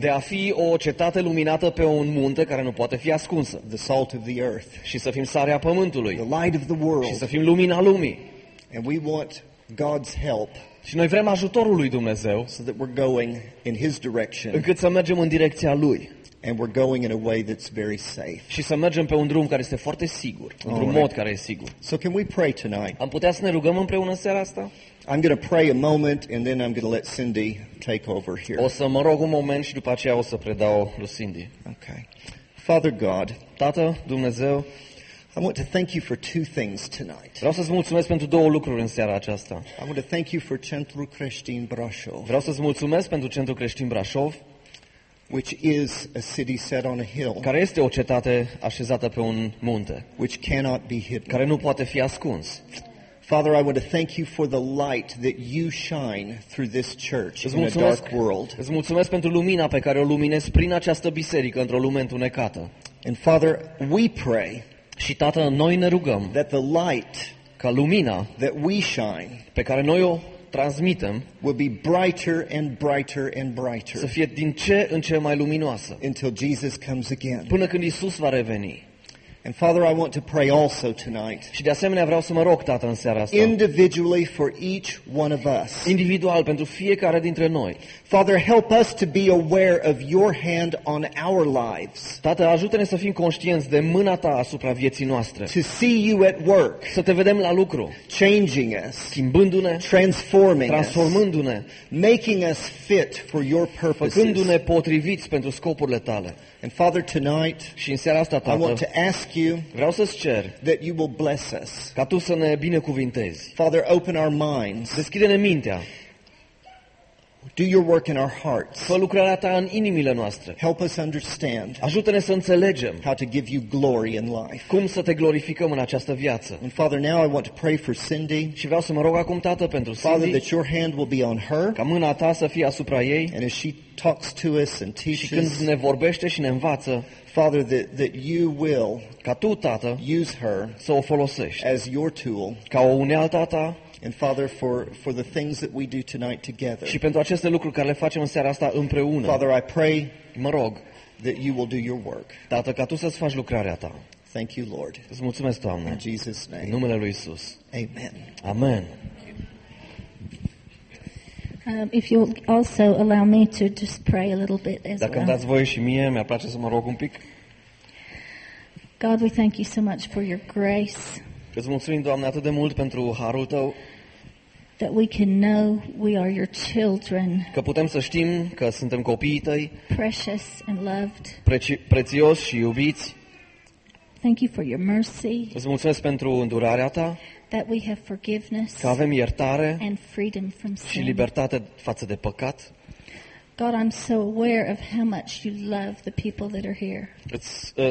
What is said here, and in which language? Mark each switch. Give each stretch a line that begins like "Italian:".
Romanian: De a fi o cetate luminată pe un munte care nu poate fi ascunsă.
English: The salt of the earth.
Romanian: Și să fim sarea pământului.
English: The light of the world.
Romanian: Și să fim lumina lumii.
English: And we want God's help.
Romanian: Și noi vrem ajutorul lui Dumnezeu.
English: So that we're going in his direction.
Romanian: Încât să mergem în direcția lui.
English: And we're going in a way that's very safe.
Romanian: Și să mergem pe un drum care este foarte sigur, într-un right. mod care e sigur.
English: So can we pray tonight?
Romanian: Am putea să ne rugăm împreună seara asta?
English: I'm going to pray a moment and then I'm going to let Cindy take over here.
Romanian: O să mă rog un moment și după aceea o să predau lui Cindy.
English: Okay. Father God,
Romanian: Tată Dumnezeu,
English: I want to thank you for two things tonight.
Romanian: Vreau să-ți mulțumesc pentru două lucruri în seara aceasta.
English: I want to thank you for Centru Creștin Brașov.
Romanian: Vreau să-ți mulțumesc pentru Centru Creștin Brașov,
English: which is a city set on a hill.
Romanian: Care este o cetate așezată pe un munte.
English: Which cannot be hidden.
Romanian: Care nu poate fi ascuns.
English: Father, I want to thank you for the light that you shine through this church in a dark world.
Romanian: Îți mulțumesc pentru lumina pe care o luminezi prin această biserică într-o lume întunecată.
English: And Father, we pray.
Romanian: Și Tată, noi ne rugăm.
English: That the light,
Romanian: ca lumina
English: that we shine,
Romanian: pe care noi o transmitem,
English: will be brighter and brighter and brighter.
Romanian: Să fie din ce în ce mai luminoasă.
English: Until Jesus comes again.
Romanian: Până când Iisus va reveni.
English: And Father, I want to pray also tonight.
Romanian: Și de asemenea vreau să mă rog, Tată, în seara asta.
English: Individually for each one of us.
Romanian: Individual pentru fiecare dintre noi.
English: Father, help us to be aware of your hand on our lives.
Romanian: Tată, ajută-ne să fim conștienți de mâna ta asupra vieții noastre.
English: To see you at work.
Romanian: Să te vedem la lucru.
English: Changing us.
Romanian: Schimbându-ne.
English: Transforming.
Romanian: Transformându-ne.
English: Making us fit for your purposes.
Romanian: Făcându-ne potriviți pentru scopurile tale.
English: And Father, tonight,
Romanian: și în seara asta, Tată,
English: I want to ask you,
Romanian: vreau să-ți cer,
English: that you will bless us.
Romanian: Ca tu să ne binecuvintezi.
English: Father, open our minds.
Romanian: Deschide-ne mintea.
English: Do your work in our hearts.
Romanian: Fă lucrarea ta în inimile noastre.
English: Help us understand.
Romanian: Ajută-ne să înțelegem.
English: How to give you glory in life.
Romanian: Cum să te glorificăm în această viață.
English: And Father, now I want to pray for Cindy.
Romanian: Și vreau să mă rog acum, Tată, pentru Cindy.
English: Father, that your hand will be on her.
Romanian: Ca mâna ta să fie asupra ei.
English: And as she talks to us and teaches.
Romanian: Și când ne vorbește și ne învață.
English: Father, that you will,
Romanian: ca tu, Tată,
English: use her
Romanian: să o folosești.
English: As your tool.
Romanian: Ca o unealtă a ta.
English: And Father, for the things that we do tonight together.
Romanian: Și pentru aceste lucruri care le facem în seara asta împreună.
English: Father, I pray,
Romanian: mă rog,
English: that you will do your work.
Romanian: Tată, ca tu să-ți faci lucrarea ta.
English: Thank you, Lord.
Romanian: Îți mulțumesc, Doamne.
English: In Jesus' name.
Romanian: În numele lui Isus.
English: Amen.
Romanian: Amen.
English: If you also allow me to just pray a little bit as well.
Romanian: Dacă îmi dați voie și mie, mi-ar place să mă rog un pic.
English: God, we thank you so much for your grace.
Romanian: Îți mulțumim, Doamne, atât de mult pentru harul tău.
English: That we can know we are your children.
Romanian: Că putem să știm că suntem copiii tăi.
English: Precious and loved.
Romanian: Prețios și iubiți.
English: Thank you for your mercy.
Romanian: Îți mulțumesc pentru îndurarea ta.
English: That we have forgiveness.
Romanian: Că avem iertare.
English: And freedom from sin.
Romanian: Și libertate față de păcat.
English: God, I'm so aware of how much you love the people that are here.